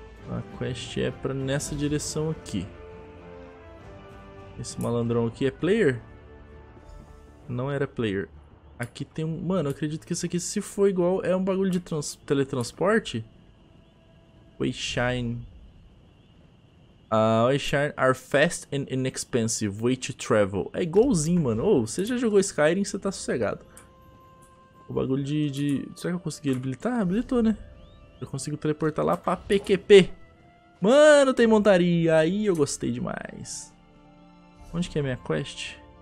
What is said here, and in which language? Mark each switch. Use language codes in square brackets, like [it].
[pt] A quest é pra nessa direção aqui. Esse malandrão aqui é player? Não era player. Aqui tem um. Mano, eu acredito que isso aqui, se for igual, é um bagulho de teletransporte? [en] Wayshine. Wayshine are fast and inexpensive way to travel. [pt] É igualzinho, mano. Ou, você já jogou Skyrim, você tá sossegado. O bagulho Será que eu consegui habilitar? Habilitou, né? Eu consigo teleportar lá pra PQP. Mano, tem montaria. Aí eu gostei demais. Onde que é a minha quest?